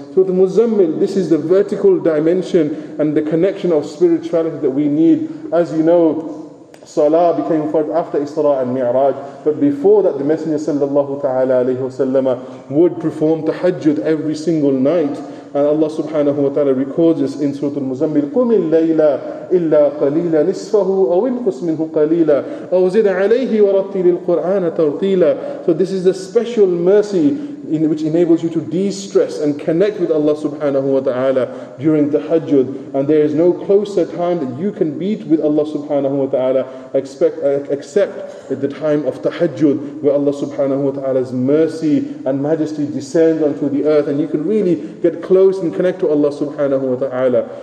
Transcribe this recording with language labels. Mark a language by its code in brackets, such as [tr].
[en] Surah Al-Muzzammil, this is the vertical dimension and the connection of spirituality that we need. As you know, Salah became fard after Isra and Mi'raj, but before that the Messenger sallallahu ta'ala alayhi wa sallam would perform tahajjud every single night. And Allah subhanahu wa ta'ala records this in Surah Al-Muzzammil, [ar] قُمِ اللَّيْلَ إِلَّا قَلِيلًا نِصْفَهُ أَوْ انْقُصْ مِنْهُ قَلِيلًا أَوْ زِدْ عَلَيْهِ وَرَتِّلِ الْقُرْآنَ تَرْتِيلًا. [en] So this is a special mercy in which enables you to de-stress and connect with Allah subhanahu wa ta'ala during the tahajjud. And there is no closer time that you can meet with Allah subhanahu wa ta'ala except at the time of tahajjud, where Allah subhanahu wa ta'ala's mercy and majesty descends onto the earth and you can really get close and connect to Allah subhanahu wa ta'ala.